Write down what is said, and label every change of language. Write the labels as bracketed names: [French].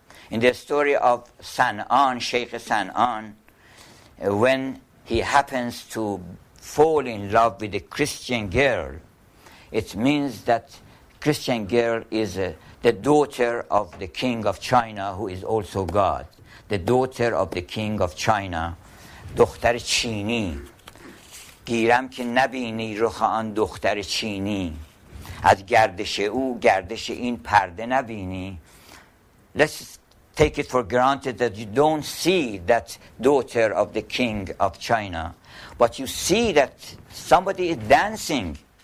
[English] In the story of San'an, Sheikh San'an, when he happens to fall in love with a Christian girl, it means that Christian girl is the daughter of the king of China, who is also God. The daughter of the king of China, Dukhtar Chini. [Persian] گیرم که نبینی رخ آن دختر چینی، از گردش او گردش این پرده نبینی. [English] Let's take it for granted that you don't see that daughter of the king of China, but you see that somebody is dancing.